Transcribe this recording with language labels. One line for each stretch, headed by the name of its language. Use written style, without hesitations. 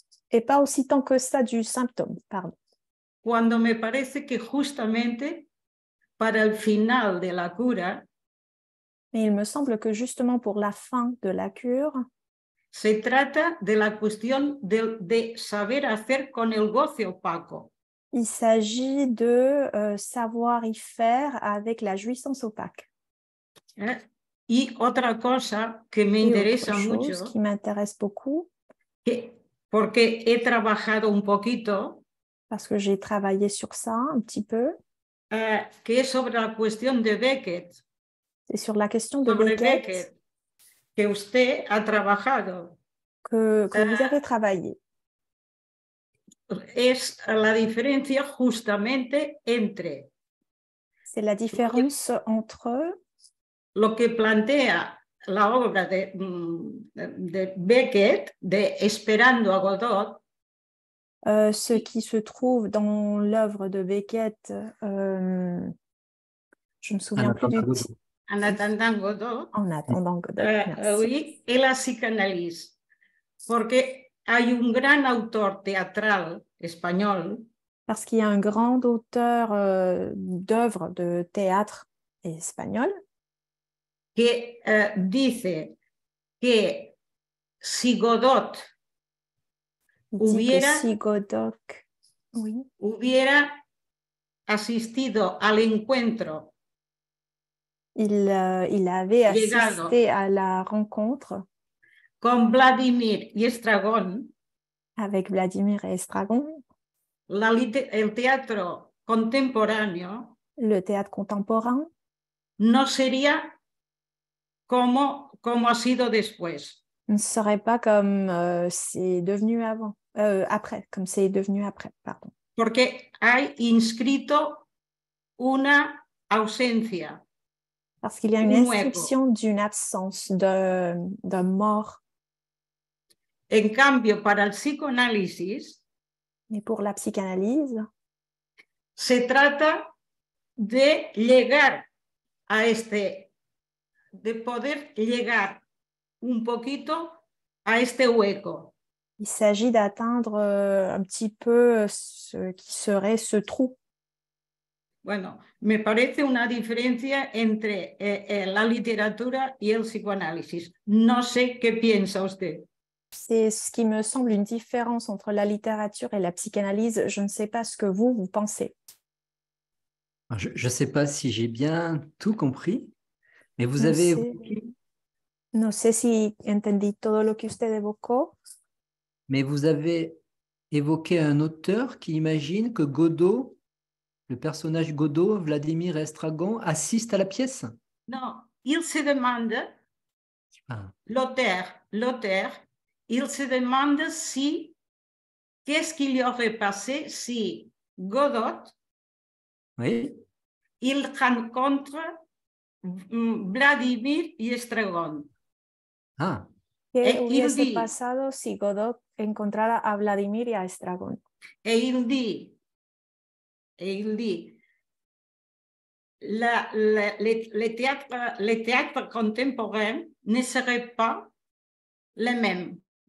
French: et pas aussi tant que ça du symptôme, pardon.
Spanish: Cuando me parece que justamente para el final de la cura,
French: mais il me semble que justement pour la fin de la cure.
Spanish: Se trata de la cuestión de saber hacer con el goce opaco.
French: Il s'agit de savoir y faire avec la jouissance opaque.
Spanish: Y otra cosa que me interesa mucho.
French: Chose qui m'intéresse beaucoup.
Spanish: Porque he trabajado un poquito.
French: Parce que j'ai travaillé sur ça un petit peu.
Spanish: Que es sobre la cuestión de Beckett.
French: C'est sur la question de Beckett.
Spanish: Que usted ha trabajado.
French: Que vous avez travaillé.
Spanish: Es la diferencia justamente entre.
French: C'est la différence entre.
Spanish: Lo que plantea la obra de Beckett, de Esperando a Godot.
French: Ce qui se trouve dans l'œuvre de Beckett. Je me souviens plus du titre. En attendant Godot. En attendant Godot. Oui, et la psychanalyse. Parce qu'il y a un grand auteur théâtral espagnol. parce qu'il y a un grand auteur d'œuvres de théâtre espagnol qui dit que si Godot
Spanish: hubiera,
French: si Godot, oui,
Spanish: hubiera assistido al encuentro,
French: il avait assisté à la rencontre
Spanish: con Vladimir y Estragón,
French: avec Vladimir et Estragón,
Spanish: el teatro contemporáneo,
French: le théâtre contemporain,
Spanish: no sería como ha sido después.
French: Ne serait pas comme c'est devenu avant, après, comme c'est devenu après, pardon.
Spanish: Porque hay inscrito una ausencia.
French: Parce qu'il y a une inscription d'une absence, d'un mort.
Spanish: En cambio, para el psicoanálisis,
French: mais pour la psychanalyse,
Spanish: se trata de llegar a este, de poder llegar un poquito a este hueco.
French: Il s'agit d'atteindre un petit peu ce qui serait ce trou.
Spanish: Bueno, me parece una diferencia entre la literatura y el psicoanálisis. No sé qué piensa usted.
French: C'est ce qui me semble une différence entre la littérature et la psychanalyse. Je ne sais pas ce que vous pensez. Je ne sais pas si j'ai bien tout compris, mais vous avez évoqué...
Spanish: No sé si entendí todo lo que usted evocó.
French: Mais vous avez évoqué un auteur qui imagine que Godot, le personnage Godot, Vladimir Estragon, assiste à la pièce. Non, il se demande, l'auteur, il se demande si, qu'est-ce qu'il y aurait passé si Godot, oui, il rencontre Vladimir y Estragón. Ah.
Spanish: ¿Qué hubiese pasado si Godot encontrara a Vladimir y a Estragón? Él dice,
French: le théâtre contemporain ne serait pas le même.